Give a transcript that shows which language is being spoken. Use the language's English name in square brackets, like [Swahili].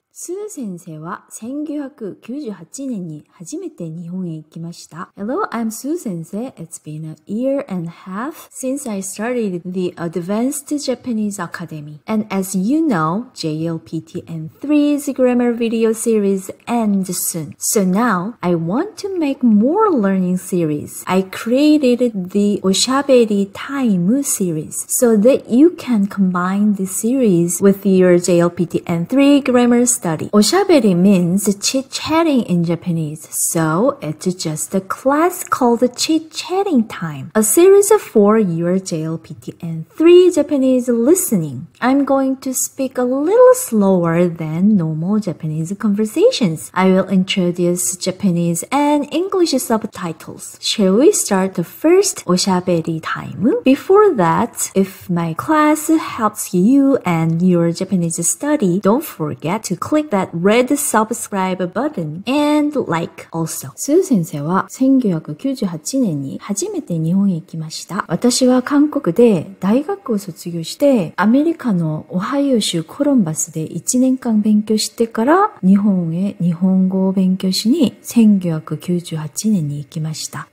[Japanese] スー先生は1998年に初めて日本へ行きました。 [English] Hello, I'm Sue 先生. It's been a year and a half since I started the Advanced Japanese Academy. And as you know, JLPTN3's grammar video series ends soon. So now, I want to make more learning series. I created the おしゃべりタイム series so that you can combine the series with your JLPTN3 grammar studyおしゃべり means chit-chatting in Japanese, so it's just a class called chit-chatting time, a series for your JLPTN3 Japanese listening. I'm going to speak a little slower than normal Japanese conversations. I will introduce Japanese and English subtitles. Shall we start the first おしゃべりタイム? Before that, if my class helps you and your Japanese study, don't forget to click that red subscribe button and like also. [Japanese] スー先生は1998年に初めて日本へ行きました。私は韓国で大学を卒業してアメリカのオハイオ州コロンバスで1年間勉強してから日本へ日本語を勉強しに1998年に行きました。